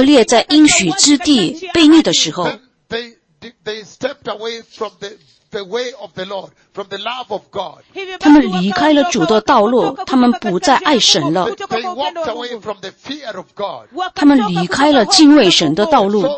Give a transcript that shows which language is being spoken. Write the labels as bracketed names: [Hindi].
[Chinese] 无花果树象征着以色列，可是以色列现在悖逆了。当以色列在应许之地悖逆的时候， [English] they stepped away from the way of the Lord, from the love of God. [Chinese] 他们离开了主的道路，他们不再爱神了。 [English] They walked away from the fear of God. [Chinese] 他们离开了敬畏神的道路。So